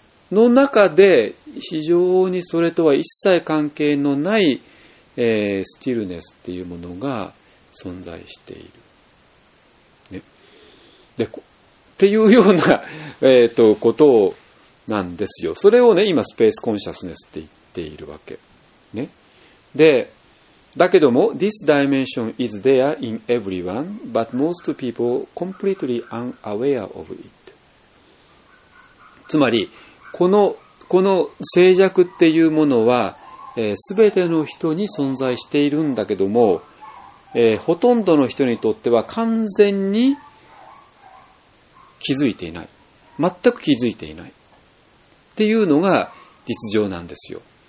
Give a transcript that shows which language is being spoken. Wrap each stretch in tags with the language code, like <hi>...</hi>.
<ja>の中で、非常にそれとは一切関係のない、スティルネスっていうものが存在している、ね、でっていうようなことなんですよ。それをね、今スペースコンシャスネスって言っているわけね。で</ja> <en>だけども、this dimension is there in everyone, but most people completely unaware of it.</en> <ja>つまり、この静寂っていうものは、すべての人に存在しているんだけども、ほとんどの人にとっては完全に気づいていない。全く気づいていない。っていうのが実情なんですよ。</ja>